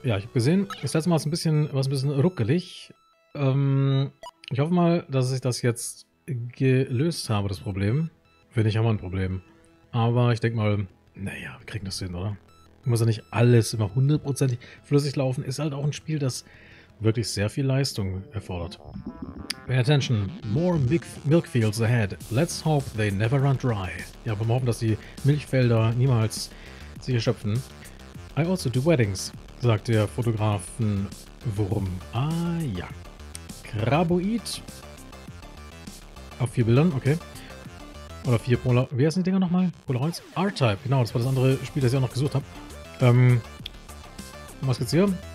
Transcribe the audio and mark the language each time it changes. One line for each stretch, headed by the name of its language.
German: Ja, ich habe gesehen, das letzte Mal war es ein bisschen ruckelig. Ich hoffe mal, dass ich das jetzt gelöst habe, das Problem. Finde ich auch mal ein Problem. Aber ich denke mal, naja, wir kriegen das hin, oder? Muss ja nicht alles immer hundertprozentig flüssig laufen. Ist halt auch ein Spiel, das wirklich sehr viel Leistung erfordert.
English: Pay attention, more big milk fields ahead. Let's hope they never run dry.
German: Ja, wir hoffen, dass die Milchfelder niemals sich erschöpfen.
English: I also do weddings,
German: sagt der Fotografenwurm. Ah ja. Graboid. Auf 4 Bildern, okay. Oder 4 Polaroids. Wie heißen die Dinger nochmal? Polaroids? R-Type, genau, das war das andere Spiel, das ich auch noch gesucht habe. Was gibt's hier?